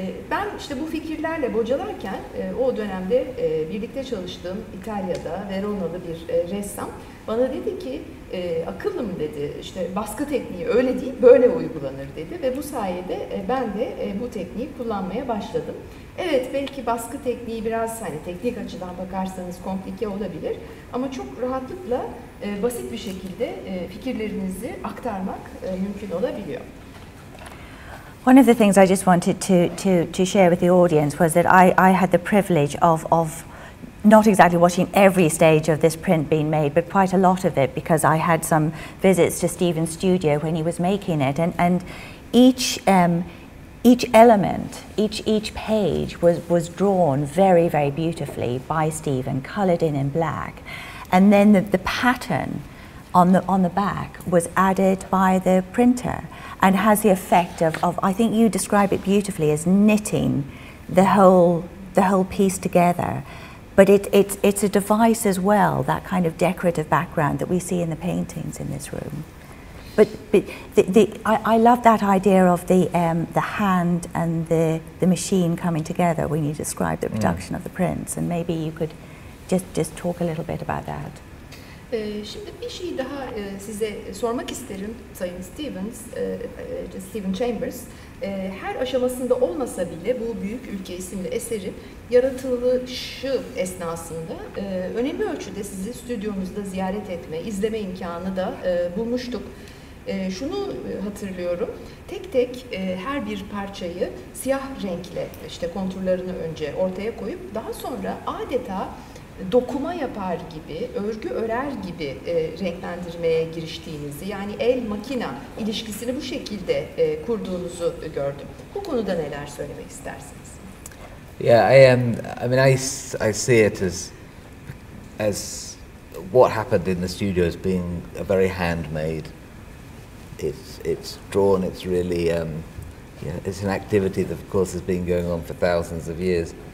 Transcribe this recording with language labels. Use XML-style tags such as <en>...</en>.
<tr>Ben işte bu fikirlerle bocalarken o dönemde birlikte çalıştığım İtalya'da Verona'lı bir ressam bana dedi ki, akıllım dedi, işte baskı tekniği öyle değil, böyle uygulanır dedi ve bu sayede ben de bu tekniği kullanmaya başladım. Evet, belki baskı tekniği biraz hani teknik açıdan bakarsanız komplike olabilir ama çok rahatlıkla basit bir şekilde fikirlerinizi aktarmak mümkün olabiliyor.</tr> <en>One of the things I just wanted to share with the audience was that I had the privilege of not exactly watching every stage of this print being made, but quite a lot of it, because I had some visits to Stephen's studio when he was making it, and each element, each page was drawn very, very beautifully by Stephen, coloured in black, and then the pattern on the back was added by the printer and has the effect of I think you describe it beautifully as knitting the whole piece together. But it's a device as well, that kind of decorative background that we see in the paintings in this room. But I love that idea of the hand and the machine coming together when you describe the production of the prints, and maybe you could just talk a little bit about that.</en> <tr>Şimdi bir şey daha size sormak isterim Sayın Stevens, Stephen Chambers. Her aşamasında olmasa bile bu Büyük Ülke isimli eseri yaratılışı esnasında önemli ölçüde sizi stüdyomuzda ziyaret etme, izleme imkanı da bulmuştuk. Şunu hatırlıyorum, tek tek her bir parçayı siyah renkle işte konturlarını önce ortaya koyup daha sonra adeta dokuma yapar gibi, örgü örer gibi renklendirmeye giriştiğinizi, yani el-makina ilişkisini bu şekilde kurduğunuzu gördüm. Bu konuda neler söylemek istersiniz?</tr> <en>Yeah, I see it as what happened in the studio as being a very handmade. It's drawn. It's really it's an activity that, of course, has been going on for thousands of years.</en>